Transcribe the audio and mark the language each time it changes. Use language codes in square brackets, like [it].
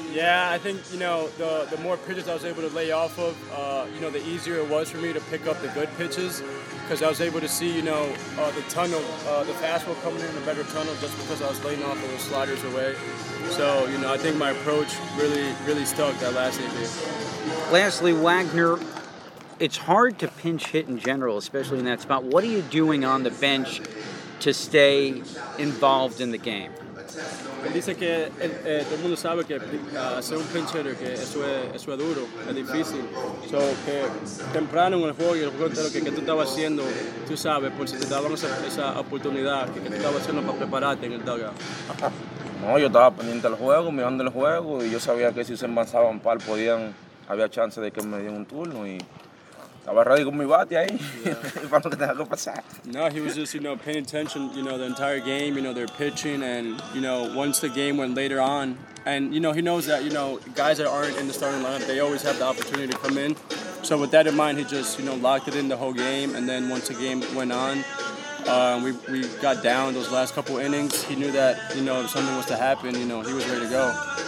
[en] Yeah, I think, you know, the more pitches I was able to lay off of, you know, the easier it was for me to pick up the good pitches because I was able to see, you know, the tunnel, the fastball coming in a better tunnel just because I was laying off of those sliders away. So, you know, I think my approach really, really stuck that last AB. Lastly, Wagner, it's hard to pinch hit in general, especially in that spot. What are you doing on the bench to stay involved in the game? [es] Dice que todo el mundo sabe que hacer un pinch hitter, que eso es duro, es difícil. So, que temprano en el juego, el juego entero, que tú estabas haciendo, tú sabes, por si te daban esa oportunidad, que tú estabas haciendo para prepararte en el dugout. No, yo estaba pendiente del juego, mirando el juego, y yo sabía que si se avanzaba un par, había chance de que me dieran un turno, y... [en] Yeah. No, he was just, you know, paying attention, you know, the entire game, you know, they're pitching, and, you know, once the game went later on, and, you know, he knows that, you know, guys that aren't in the starting lineup, they always have the opportunity to come in. So with that in mind, he just, you know, locked it in the whole game, and then once the game went on, we got down those last couple innings, he knew that, you know, if something was to happen, you know, he was ready to go.